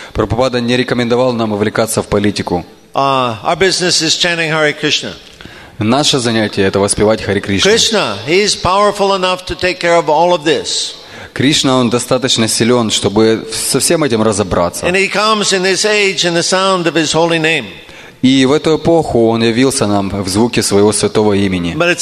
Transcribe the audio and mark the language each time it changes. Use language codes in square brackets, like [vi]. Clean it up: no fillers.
[ru] Прабхупада не рекомендовал нам вовлекаться в политику. [en] Our business is chanting Hare Krishna. [ru] Наше занятие это воспевать Харе Кришну. [en] Krishna, he is powerful enough to take care of all of this. [ru] Кришна, он достаточно силен, чтобы со всем этим разобраться. [en] And he comes in this age in the sound of his holy name. [ru] И в эту эпоху он явился нам в звуке своего святого имени.